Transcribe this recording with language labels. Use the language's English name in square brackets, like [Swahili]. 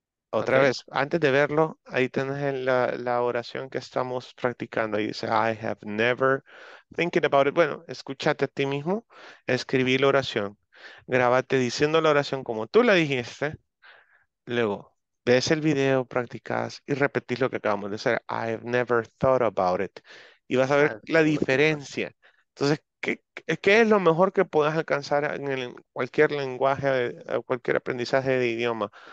[Spanish] Otra vez, antes de verlo, ahí tenés la oración que estamos practicando. Ahí dice, [English] I have never thinking about it. [Spanish] Bueno, escúchate a ti mismo, escribí la oración. Grábate diciendo la oración como tú la dijiste. Luego, Ves el video, practicas y repetís lo que acabamos de hacer. [English] I've never thought about it. [Spanish] Y vas a ver la diferencia. Entonces, ¿qué es lo mejor que puedas alcanzar en cualquier lenguaje, cualquier aprendizaje de idioma?